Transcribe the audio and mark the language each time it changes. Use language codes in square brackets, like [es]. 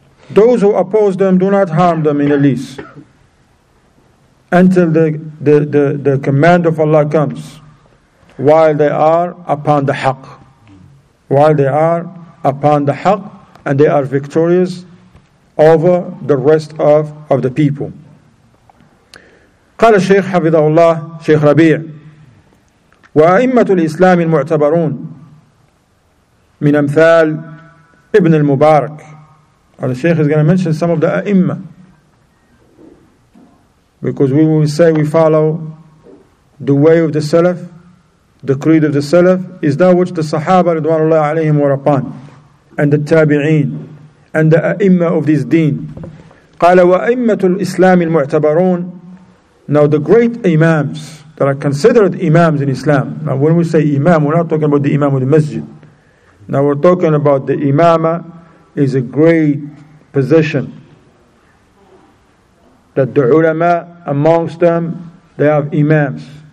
[en] Those who oppose them do not harm them in the least until the command of Allah comes, while they are upon the haqq. While they are upon the haqq, and they are victorious over the rest of the people. [ar] قال الشيخ حفظه الله شيخ ربيع وأئمة الإسلام المعتبرون من أمثال ابن المبارك. [en] And the Sheikh is going to mention some of the A'imma, because we will say we follow the way of the Salaf, the creed of the Salaf is that which the Sahaba radhiyallahu alayhim were upon, and the Tabi'een, and the A'imma of this deen. [ar] قال وأئمة الإسلام المعتبرون. [en] Now the great imams that are considered imams in Islam. Now when we say imam, we're not talking about the imam of the masjid. Now we're talking about the imama is a great position that the ulama amongst them, they have imams.